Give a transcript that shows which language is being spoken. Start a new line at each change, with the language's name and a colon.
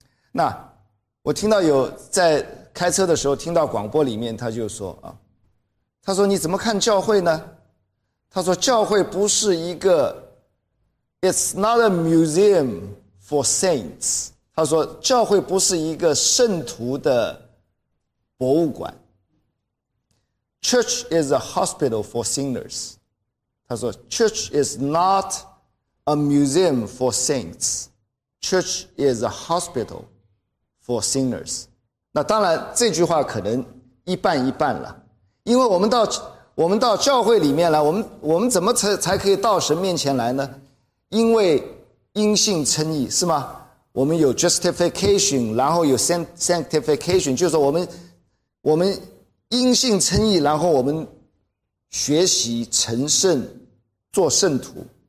Chinese: 那我听到有在开车的时候听到广播里面，他就说啊，他说你怎么看教会呢？他说教会不是一个
English: It's not a museum for saints.
Chinese: 他说教会不是一个圣徒的博物馆。
English: Church is a hospital for sinners.
Chinese: 他说
English: Church is not a museum for saints. Church is a hospital for sinners.
Chinese: 那当然这句话可能一半一半了。因为我们到教会里面来，我们怎么才可以到神面前来呢？因为因信称义，是吗？我们有 justification， 然后有 sanctification， 就是说我们因信称义，然后我们学习成圣，做圣徒。